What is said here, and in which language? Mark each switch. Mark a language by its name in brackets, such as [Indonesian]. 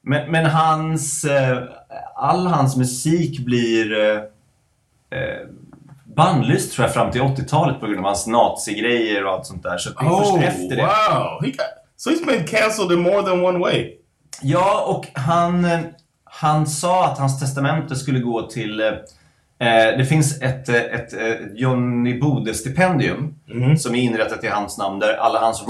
[Swedish] Men hans all hans musik blir bannlyst tror jag fram till 80-talet på grund av hans nazigrejer och allt sånt där. Så efter det. [English] Wow. So he's been canceled in more than one way. [Swedish] Ja, och han sa att hans testamente skulle gå till det finns ett Johnny Bode stipendium som är inrättat i hans namn där alla hans